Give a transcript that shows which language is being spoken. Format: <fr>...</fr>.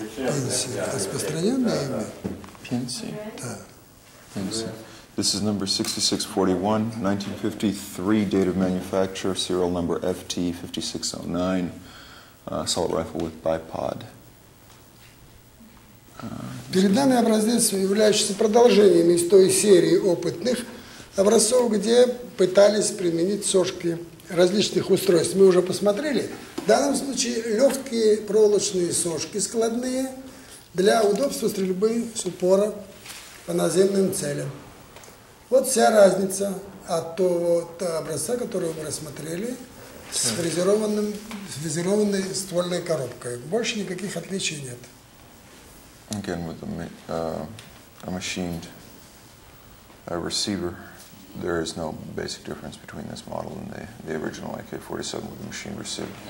<ru>Пенси. Распространенное имя? Пенси? Да. Пенси.</ru> <en>This is number 6641, 1953, date of manufacture, serial number FT5609, assault rifle with bipod.</en> <ru>Перед нами образец, являющийся продолжением из той серии опытных образцов, где пытались применить сошки различных устройств. Мы уже посмотрели. В данном случае легкие проволочные сошки складные для удобства стрельбы с упора по наземным целям. Вот вся разница от того образца, который мы рассмотрели, с фрезерованной ствольной коробкой. Больше никаких отличий нет.</ru> <en>Again, with a machined receiver, there is no basic difference between this model and the original AK-47 with a machined receiver.</en>